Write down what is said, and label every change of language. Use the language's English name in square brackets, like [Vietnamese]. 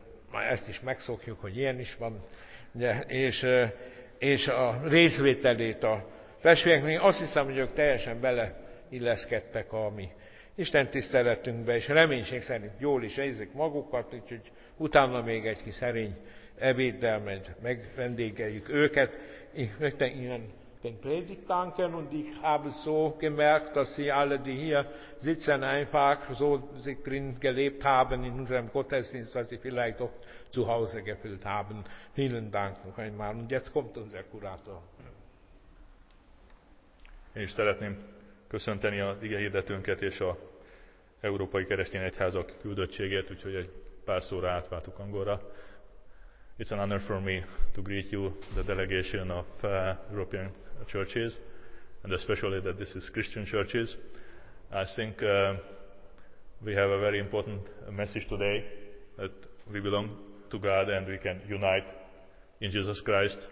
[Hungarian] Már ezt is megszokjuk, hogy ilyen is van, ugye. És a részvételét a testvéreknek, azt hiszem, hogy ők teljesen beleilleszkedtek a mi Isten tiszteletünkbe, és reménység szerint jól is érzik magukat, úgyhogy utána még egy kis szerény ebéddel majd megvendégeljük őket. Én ilyen predikánken, [German] und ich habe so gemerkt, dass sie alle, die hier sitzen, einfach so drin gelebt haben in unserem Gottesdienst, dass sie vielleicht auch zu Hause gefühlt haben. Vielen Dank noch einmal. Und jetzt kommt unser Kurator. [Hungarian] Én is szeretném köszönteni az ige hirdetőnket és az Európai Keresztény Egyházak küldöttségét, úgyhogy egy pár szóra átváltuk angolra. [English] It's an honor for me to greet you, the delegation of European churches, and especially that this is Christian churches. I think we have a very important message today, that we belong to God and we can unite in Jesus Christ.